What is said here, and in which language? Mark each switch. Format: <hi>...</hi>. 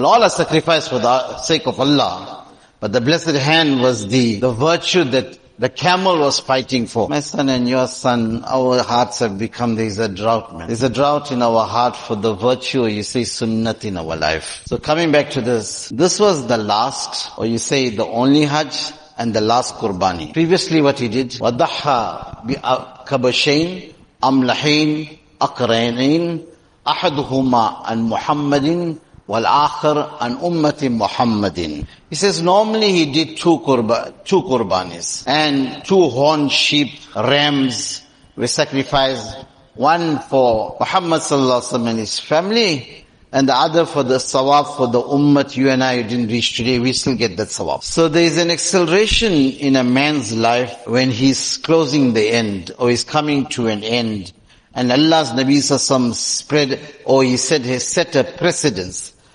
<en>Well, all are sacrificed for the sake of Allah, but the blessed hand was the virtue that the camel was fighting for. My son and your son, our hearts have become, there is a drought, man. There is a drought in our heart for the virtue, you say, sunnat in our life. So coming back to this, this was the last, or you say the only Hajj, and the last qurbani. Previously what he did,</en> <ar>وَضَحَّ بِأَكَبَشَيْنِ أَمْلَحَيْنِ أَقْرَيْنِينَ أَحَدُهُمَا أَنْ مُحَمَّدٍ والآخر عن أمة محمد.</ar> <en>He says normally he did two qurbanis and two horned sheep, rams were sacrificed, one for Muhammad sallallahu alaihi wasallam and his family, and the other for the sawab for the ummah. You and I, you didn't reach today, we still get that sawab. So there is an acceleration in a man's life when he's closing the end, or he's coming to an end, and Allah's Nabi sallallahu alaihi wasallam spread, or he said, he set a precedence.</en>